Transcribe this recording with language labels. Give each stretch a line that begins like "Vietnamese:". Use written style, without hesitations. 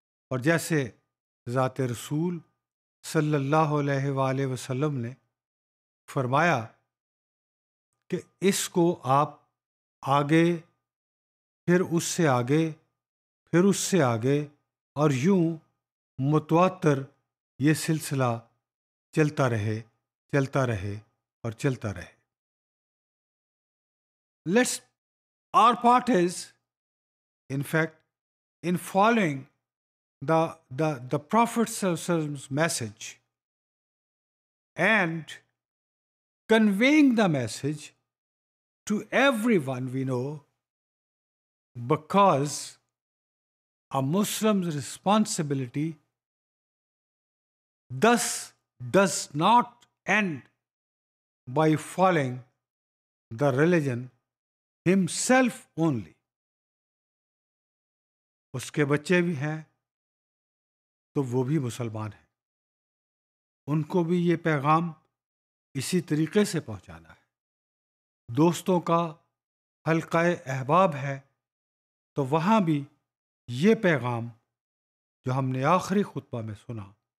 Urdu: اور جیسے ذات رسول صلی اللہ علیہ وآلہ وسلم نے فرمایا کہ اس کو آپ آگے, پھر اس سے آگے, پھر اس سے آگے, اور یوں متواتر یہ سلسلہ چلتا رہے, چلتا رہے اور چلتا رہے.
English: Let's, our part is, in fact, in following the Prophet's message and conveying the message to everyone we know, because a Muslim's responsibility thus does not end by following the religion himself only.
Urdu: اس کے بچے بھی ہیں تو وہ بھی مسلمان ہیں, ان کو بھی یہ پیغام اسی طریقے سے پہنچانا ہے. دوستوں کا حلقہ احباب ہے تو وہاں بھی یہ پیغام جو ہم نے آخری خطبہ میں سنا,